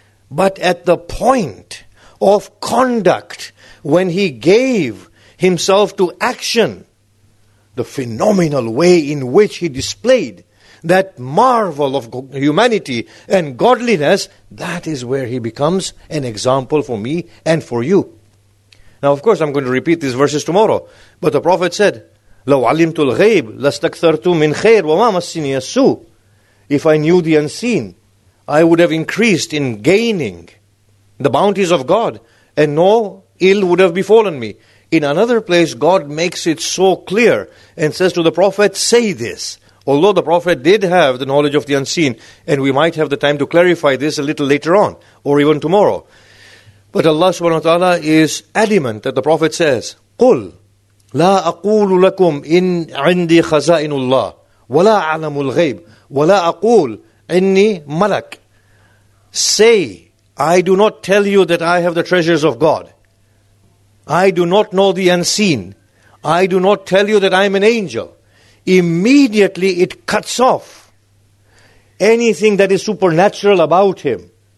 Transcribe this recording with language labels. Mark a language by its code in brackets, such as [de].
[en] But at the point of conduct, when he gave himself to action, the phenomenal way in which he displayed that marvel of humanity and godliness, that is where he becomes an example for me and for you. Now, of course, I'm going to repeat these verses tomorrow. But the Prophet said, [ar] لَوْ عَلِمْتُ الْغَيْبِ لَسْتَكْثَرْتُ مِنْ خَيْرِ وَمَا مَسِّنِيَ السُّءِ. [en] If I knew the unseen, I would have increased in gaining the bounties of God, and no ill would have befallen me. In another place, God makes it so clear and says to the Prophet, say this. Although the Prophet did have the knowledge of the unseen, and we might have the time to clarify this a little later on, or even tomorrow. But Allah subhanahu wa ta'ala is adamant that the Prophet says, [ar] قُلْ لَا أَقُولُ لَكُمْ إِنْ عِنْدِي خَزَائِنُ اللَّهِ وَلَا أَعْلَمُ الْغَيْبِ وَلَا أَقُولُ إِنِّي مَلَكٌ. [en] Say, I do not tell you that I have the treasures of God. I do not know the unseen. I do not tell you that I am an angel. Immediately it cuts off anything that is supernatural about him.